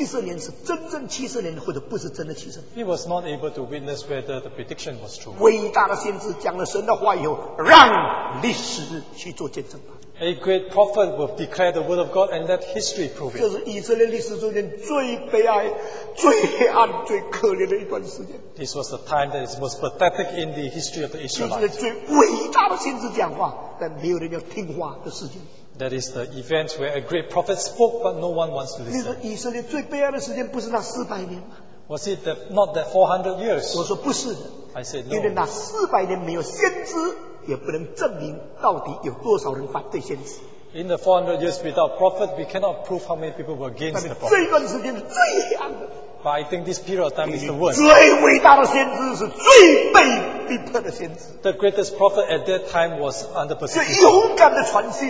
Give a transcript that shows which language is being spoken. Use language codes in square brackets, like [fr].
[zh] 所以耶利米没有机会印证那个七十年是真正七十年，或者不是真的七十年。 [en] He was not able to witness whether the prediction was true. [zh] 伟大的先知讲了神的话以后，让历史去做见证吧。 [en] A great prophet will declare the word of God and let history prove it. [zh] 这是以色列历史中间最悲哀、最黑暗、最可怜的一段时间。 [en] This was the time that is most pathetic in the history of the Israelites. [zh] 就是最伟大的先知讲话，但没有人要听话的事情。 [en] That is the event where a great prophet spoke, but no one wants to listen. [zh] 你说以色列最悲哀的时间不是那四百年吗？ [en] Was it not that 400 years? [zh] 我说不是的。 [en] I said no. [zh] 因为那四百年没有先知。也不能证明到底有多少人反对先知。 [en] In the 400 years without prophet, we cannot prove how many people were against the prophet. [zh] 这一段时间是最黑暗的。 [en] But I think this period of time is the worst. [zh] 最伟大的先知是最被逼迫的先知。 [en] The greatest prophet at that time was under persecution.